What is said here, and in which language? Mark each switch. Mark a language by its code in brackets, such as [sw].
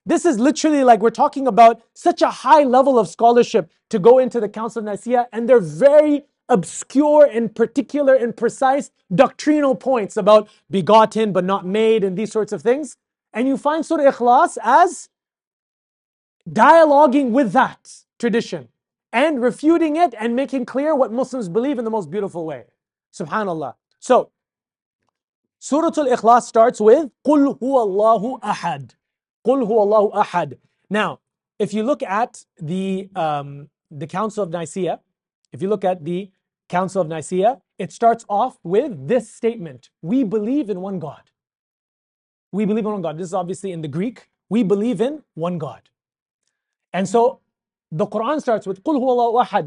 [en] This is literally like we're talking about such a high level of scholarship to go into the Council of Nicaea, and they're very obscure and particular and precise doctrinal points about begotten but not made and these sorts of things. And you find Surah Ikhlas as dialoguing with that tradition and refuting it and making clear what Muslims believe in the most beautiful way. SubhanAllah. So, Surah Al-Ikhlas starts with [ar] قُلْ هُوَ اللَّهُ أَحَدْ قُلْ هُوَ اللَّهُ أَحَدْ. [en] Now, if you look at the Council of Nicaea, if you look at the Council of Nicaea, it starts off with this statement. We believe in one God. We believe in one God. This is obviously in the Greek. We believe in one God. And so, the Quran starts with [ar] قُلْ هُوَ اللَّهُ أَحَدْ.